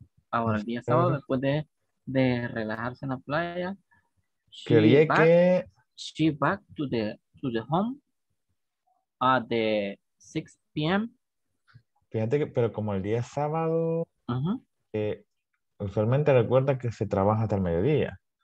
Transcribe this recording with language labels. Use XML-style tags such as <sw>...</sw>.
<es>Ahora el día sábado, después de relajarse en la playa.</es> <en>She</en> <es>quería back, que...</es> <en>She back to the home at the 6 p.m.</en> <es>Fíjate que, pero como el día sábado... Uh-huh. Usualmente recuerda que se trabaja hasta el mediodía.</es>